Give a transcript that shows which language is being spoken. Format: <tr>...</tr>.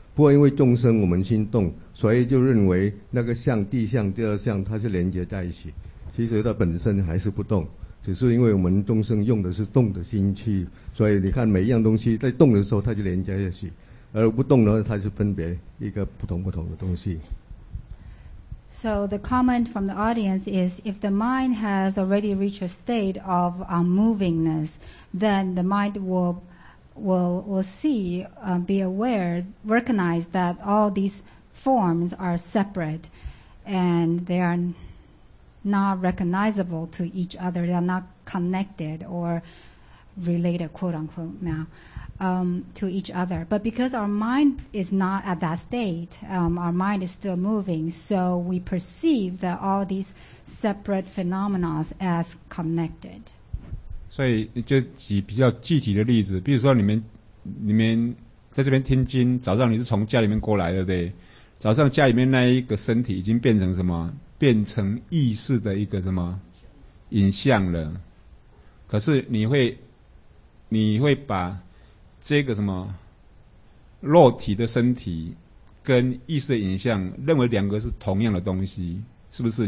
<zh>不过因为众生我们心动，所以就认为那个相地相第二相它是连接在一起，其实它本身还是不动，只是因为我们众生用的是动的心去，所以你看每一样东西在动的时候它就连接在一起，而不动呢它是分别一个不同的东西。</zh> <en>So the comment from the audience is if the mind has already reached a state of unmovingness, then the mind will see, be aware, recognize that all these forms are separate and they are not recognizable to each other, they are not connected or related, quote unquote, now, to each other. But because our mind is not at that state, our mind is still moving, so we perceive that all these separate phenomena as connected.</en> <zh>所以就举比较具体的例子，比如说你们在这边听经，早上你是从家里面过来的，对？早上家里面那一个身体已经变成什么？变成意识的一个什么影像了。可是你会把这个什么肉体的身体跟意识的影像认为两个是同样的东西，是不是？</zh>